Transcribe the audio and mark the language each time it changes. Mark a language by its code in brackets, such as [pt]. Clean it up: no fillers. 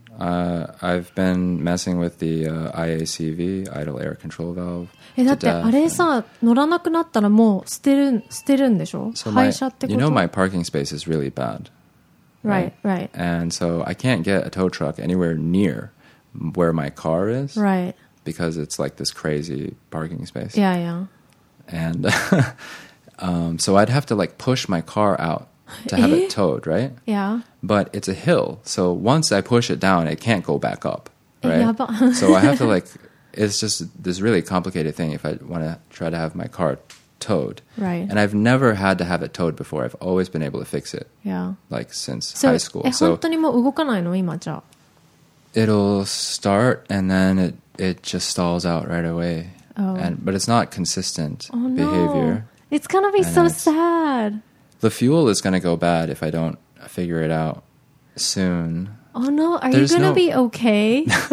[en] I've been messing with the IACV, idle air control valve. [ja] だってあれさ、乗らなくなったらもう捨てるんでしょ? So、廃車ってこと? [en] You know my parking space is really bad. Right? Right, right. And so I can't get a tow truck anywhere near where my car is. Right. Because it's like this crazy parking space. Yeah, yeah. And so I'd have to like push my car out. To have it towed, right? Yeah. But it's a hill, so once I push it down, it can't go back up, right? Yeah, but so I have to like, it's just this really complicated thing if I want to try to have my car towed. Right. And I've never had to have it towed before. I've always been able to fix it. Yeah. Like since so, high school. [ja] So, 本当にもう動かないの今じゃ? [en] It'll start and then it just stalls out right away. Oh. And, but it's not consistent oh, no. behavior. It's gonna be so sad. The fuel is going to go bad if I don't figure it out soon. Oh no, are you going to be okay?